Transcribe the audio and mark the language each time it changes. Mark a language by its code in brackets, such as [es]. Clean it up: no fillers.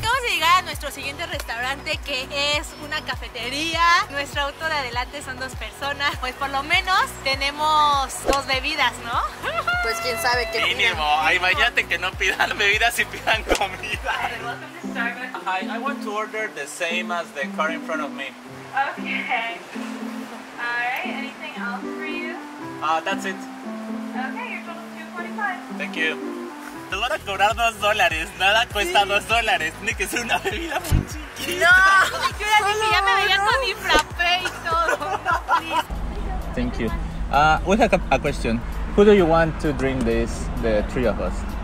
[es] Llegar a nuestro siguiente restaurante, que es una cafetería. Nuestro auto de adelante son dos personas, pues por lo menos tenemos dos bebidas, ¿no? Pues quién sabe qué. Mínimo, ay, imagínate que no pidan bebidas y pidan comida. [en] I want to order the same as the car in front of me. Okay. All right, anything else for you? That's it. Okay, your total is $2.45. Thank you. [es] Te van a cobrar $2, nada cuesta $2, tiene que ser una bebida muy chiquita. No, yo era así, ya me veía con mi frappé y todo. [en] Please. Thank you. We have a question. Who do you want to drink this, the three of us?